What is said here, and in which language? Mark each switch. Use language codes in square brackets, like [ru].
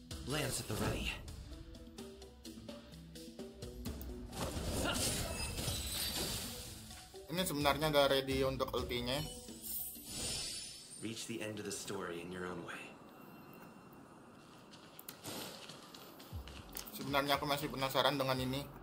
[en] Lance at the ready. [id] Ini sebenarnya udah ready untuk ultinya. [en] Reach the end of the story in your own way. [id] Sebenarnya aku masih penasaran dengan ini.